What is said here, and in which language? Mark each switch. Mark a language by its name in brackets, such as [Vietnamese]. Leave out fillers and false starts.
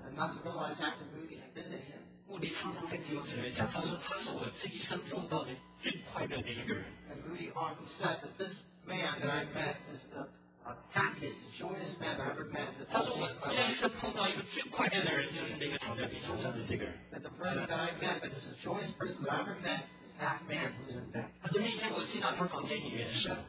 [English] And not to realize after Moody had visited him. [Chinese] 穆迪常常跟弟兄姊妹讲，他说他是我这一生碰到的最快乐的一个人。 [English] And Moody often said that this man that I met is the happiest, joyous man I've ever met. [Chinese] 他说我这一生碰到一个最快乐的人，就是那个躺在病床上的这个人。 [English] That the person that I met, that is the joyous person that I ever met, is that man who's in bed. [Chinese] 他说那天我进到他房间里面的时候，